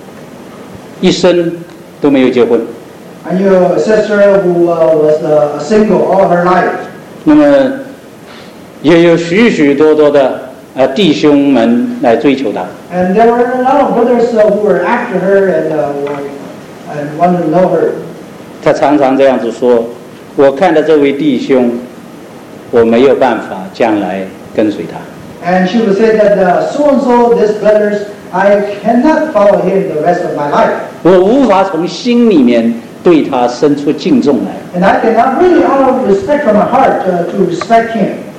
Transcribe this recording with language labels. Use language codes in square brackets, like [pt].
[zh] 我记得从前有一位姊妹，她一生都没有结婚。 [en] And your sister who was single all her life. [zh] 那么也有许许多多的弟兄们来追求她。 [en] And there were a lot of brothers who were after her and wanted to love her. [zh] 她常常这样子说，我看到这位弟兄，我没有办法将来跟随他。 [en] And she would say that so-and-so, this brothers, I cannot follow him the rest of my life. [zh] 我无法从心里面对他生出敬重来。 [en] And I cannot really out of respect from my heart to respect him.